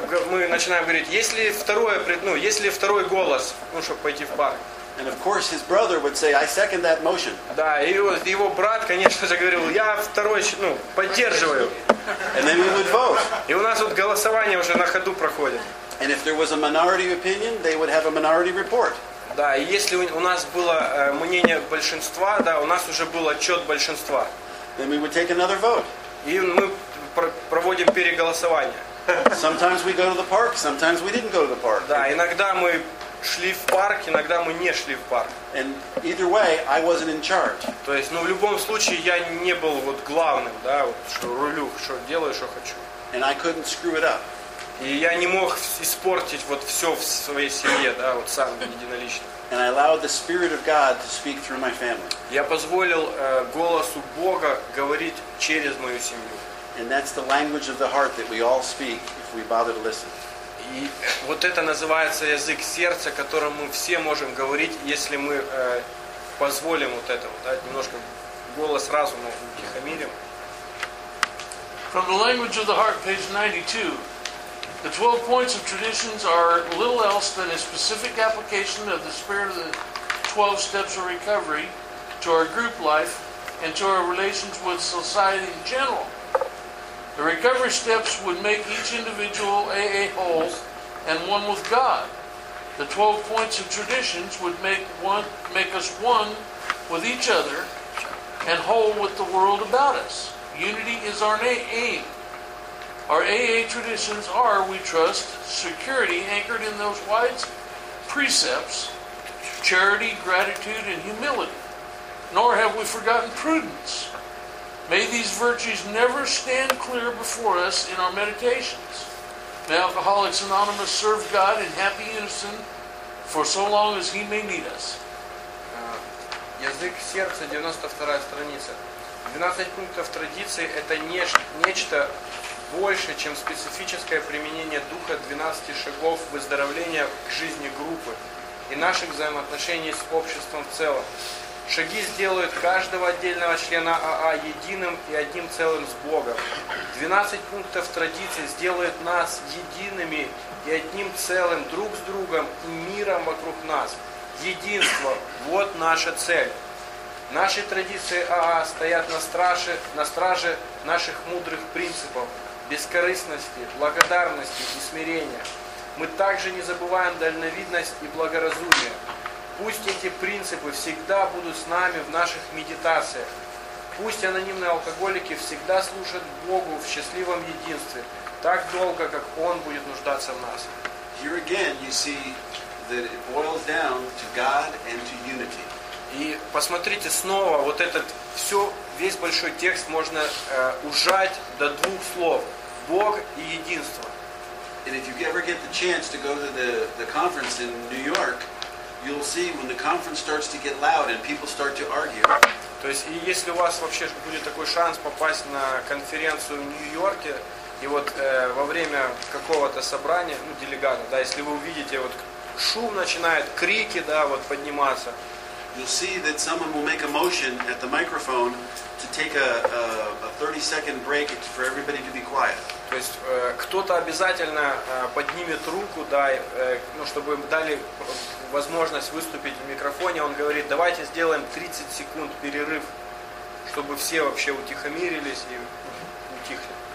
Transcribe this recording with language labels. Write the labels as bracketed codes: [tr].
[ru] Мы начинаем говорить, есть ли второй голос, ну, чтобы пойти в парк. [en] And of course his brother would say, I second that motion. [ru] Да, и его брат, конечно же, говорил, я второй, ну, поддерживаю. [en] And then we would vote. [ru] И у нас вот голосование уже на ходу проходит. [en] And if there was a minority opinion, they would have a minority report. [ru] Да, и если у нас было мнение большинства, да, у нас уже был отчет большинства. [en] Then we would take another vote. [ru] И мы проводим переголосование. [en] Sometimes we go to the park, sometimes we didn't go to the park. [ru] Да, иногда мы шли в парк, иногда мы не шли в парк. [en] And either way, I wasn't in charge. [ru] То есть, ну, в любом случае, я не был вот главным, да, вот, что рулю, что делаю, что хочу. [en] And I couldn't screw it up. [ru] И я не мог испортить вот все в своей семье, да, вот сам единолично. [en] And I allowed the Spirit of God to speak through my family. [ru] Я позволил голосу Бога говорить через мою семью. [en] And that's the language of the heart that we all speak if we bother to listen. [ru] И вот это называется язык сердца, которым мы все можем говорить, если мы позволим вот этому, да, немножко голос разума утихомирим. [en] From the language of the heart, page 92. The 12 points of traditions are little else than a specific application of the spirit of the 12 steps of recovery to our group life and to our relations with society in general. The recovery steps would make each individual AA whole and one with God. The 12 points of traditions would make us one with each other and whole with the world about us. Unity is our aim. Our AA traditions are, we trust, security anchored in those wise precepts, charity, gratitude, and humility. Nor have we forgotten prudence. May these virtues never stand clear before us in our meditations. May Alcoholics Anonymous serve God in happy unison for so long as He may need us. [ru] Язык сердца, 92 страница. 12 пунктов традиции – это нечто больше, чем специфическое применение духа 12 шагов выздоровления к жизни группы и наших взаимоотношений с обществом в целом. Шаги сделают каждого отдельного члена АА единым и одним целым с Богом. 12 пунктов традиции сделают нас едиными и одним целым друг с другом и миром вокруг нас. Единство – вот наша цель. Наши традиции АА стоят на страже наших мудрых принципов бескорыстности, благодарности и смирения. Мы также не забываем дальновидность и благоразумие. Пусть эти принципы всегда будут с нами в наших медитациях. Пусть анонимные алкоголики всегда служат Богу в счастливом единстве, так долго, как Он будет нуждаться в нас. [en] Here again you see that it boils down to God and to unity. [ru] И посмотрите снова, вот этот весь большой текст можно ужать до двух слов. Бог и единство. [en] And if you ever get the chance to go to the conference in New York, you'll see when the conference starts to get loud and people start to argue. [ru] То есть, если у вас вообще будет такой шанс попасть на конференцию в Нью-Йорке, и вот во время какого-то собрания, ну, делегата, да, если вы увидите, вот шум начинает, крики, да, вот подниматься. [en] You'll see that someone will make a motion at the microphone to take a 30-second break for everybody to be quiet. [ru] То есть кто-то обязательно поднимет руку, да, ну, чтобы дали возможность выступить в микрофоне. Он говорит, давайте сделаем 30 секунд перерыв, чтобы все вообще утихомирились и утихли.